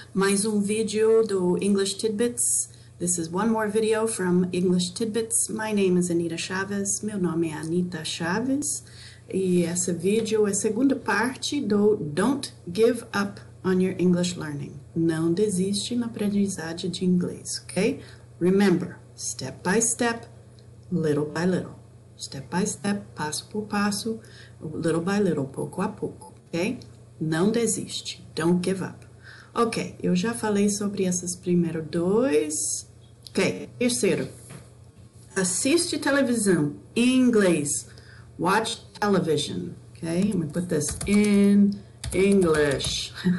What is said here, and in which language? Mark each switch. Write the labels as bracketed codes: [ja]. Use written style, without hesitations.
[pt] Mais um vídeo do English Tidbits. [en] This is one more video from English Tidbits. My name is Anita Chaves. [pt] Meu nome é Anita Chaves. E esse vídeo é a segunda parte do [en] Don't Give Up on Your English Learning. [pt] Não desiste na aprendizagem de inglês, ok? [en] Remember, step by step, little by little. Step by step, [pt] passo por passo, [en] little by little, [pt] pouco a pouco, [en] ok? [pt] Não desiste. [en] Don't give up. [pt] Ok, eu já falei sobre esses primeiros dois. Ok, terceiro. Assiste televisão em inglês. [en] Watch television. Ok, I'm gonna put this in English.